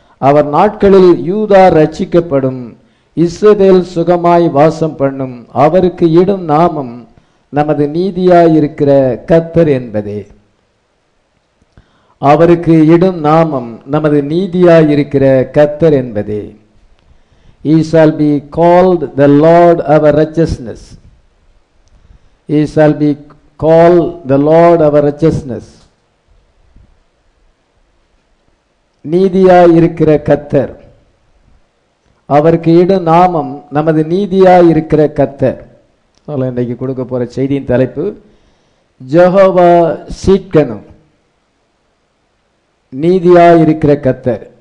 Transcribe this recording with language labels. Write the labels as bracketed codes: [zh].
[ta] அவர் நாட்களில் யூதா ரட்சிக்கப்படும், இஸ்ரவேல் சுகமாய் வாசம் பண்ணும். அவருக்கு இடும் நாமம் நமது நீதியாயிருக்கிற கர்த்தர் என்பதே. அவருக்கு இடும் நாமம் நமது நீதியாயிருக்கிற கர்த்தர் என்பதே. [en] He shall be called the Lord our righteousness. He shall be called the Lord our righteousness. [ta] நீதியாயிருக்கிற கர்த்தர், அவருக்கு இடும் நாமம் நமது நீதியாயிருக்கிற கர்த்தர். இன்றைக்கு கொடுக்க போற செய்தியின் தலைப்பு ஜெகோவா சீட்கனு, நீதியாயிருக்கிற கர்த்தர்.